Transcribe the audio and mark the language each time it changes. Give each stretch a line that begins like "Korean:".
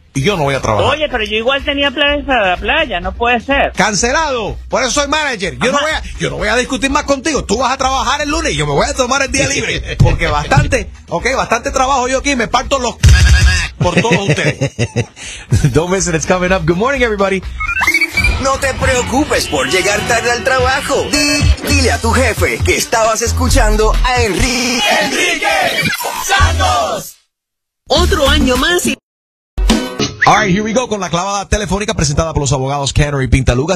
Spanish: Y yo no voy a trabajar. Oye, pero yo igual tenía planes para la playa, no puede ser. ¡Cancelado! Por eso soy manager. Yo no voy a discutir más contigo. Tú vas a trabajar el lunes y yo me voy a tomar el día libre. Porque bastante, ok, bastante trabajo yo aquí. Me parto los por todos ustedes.
English: Don't miss it, it's coming up. Good morning, everybody.
Spanish: No te preocupes por llegar tarde al trabajo. Dile a tu jefe que estabas escuchando a Enrique Santos. Otro año más y...
English: Alright, here we go
Spanish: con la clavada telefónica presentada por los abogados Canary Pintaluga.